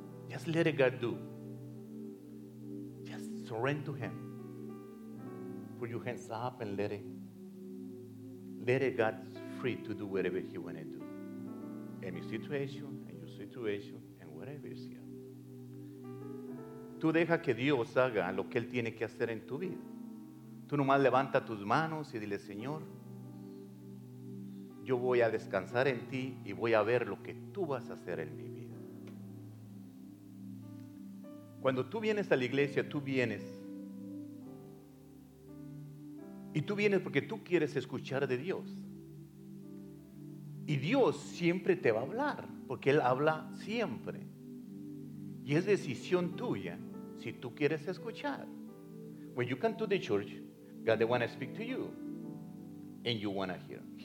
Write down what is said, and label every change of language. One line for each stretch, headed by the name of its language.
English: Just let God do. Just surrender to Him. Put your hands up and let it God free to do whatever He wanted to do. In your situation, in your situation, and whatever is here.
Spanish: Tú deja que Dios haga lo que Él tiene que hacer en tu vida. Tú nomás levanta tus manos y dile, Señor, yo voy a descansar en ti y voy a ver lo que tú vas a hacer en mi vida. Cuando tú vienes a la iglesia, tú vienes. Y tú vienes porque tú quieres escuchar de Dios. Y Dios siempre te va a hablar, porque Él habla siempre. Y es decisión tuya si tú quieres escuchar.
English: When you come to the church, God they want to speak to you. And you want to hear.